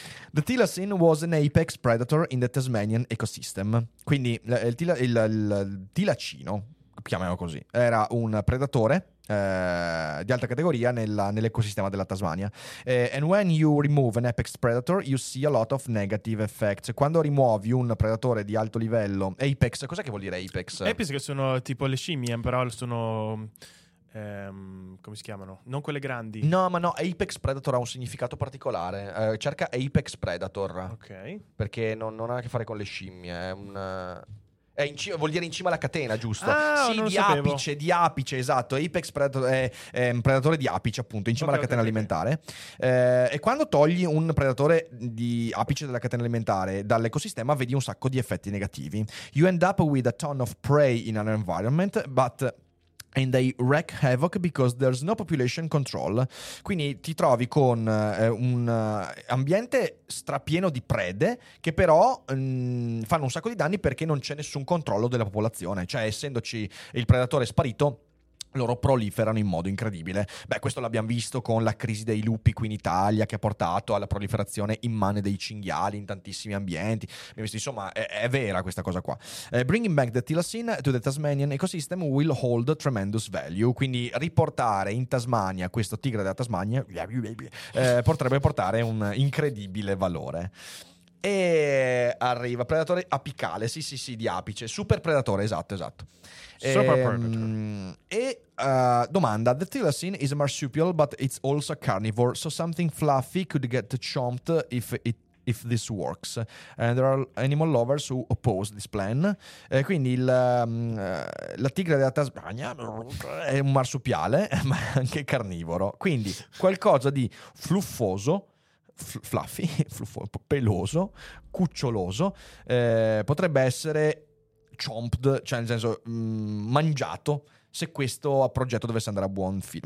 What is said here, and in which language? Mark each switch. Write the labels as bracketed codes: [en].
[en] The Thylacin was an apex predator in the Tasmanian ecosystem. [it] Quindi il tilacino, chiamiamolo così, era un predatore di alta categoria nell'ecosistema della Tasmania. [en] And when you remove an apex predator, you see a lot of negative effects. [it] Quando rimuovi un predatore di alto livello, apex, cos'è che vuol dire apex? Apex che sono tipo le scimmie, però sono... come si chiamano? Non quelle grandi. No, ma no, apex predator ha un significato particolare. Cerca apex predator. Ok. Perché non ha a che fare con le scimmie, è un... vuol dire in cima alla catena, giusto? Ah, sì, di apice, esatto. Apex predator è un predatore di apice, appunto, in cima alla catena alimentare. E quando togli un predatore di apice della catena alimentare dall'ecosistema, vedi un sacco di effetti negativi. [en] You end up with a ton of prey in an environment, but... And they wreak havoc because there's no population control. [it] Quindi ti trovi con un ambiente strapieno di prede che però fanno un sacco di danni perché non c'è nessun controllo della popolazione. Cioè, essendoci il predatore sparito, loro proliferano in modo incredibile. Beh, questo l'abbiamo visto con la crisi dei lupi qui in Italia, che ha portato alla proliferazione immane dei cinghiali in tantissimi ambienti. Insomma, è vera questa cosa qua. [en] Bringing back the Thylacin to the Tasmanian ecosystem will hold tremendous value. [it] Quindi riportare in Tasmania questo tigre della Tasmania potrebbe portare un incredibile valore. E arriva predatore apicale, sì, di apice, super predatore, esatto. [en] Domanda: The Thylacin is a marsupial, but it's also a carnivore, so something fluffy could get chomped if this works. And there are animal lovers who oppose this plan. [it] Quindi la tigre della Tasmania è un marsupiale, ma anche carnivoro. Quindi qualcosa di fluffoso. Fluffy, peloso, cuccioloso, potrebbe essere chomped, cioè nel senso mangiato, se questo progetto dovesse andare a buon fine.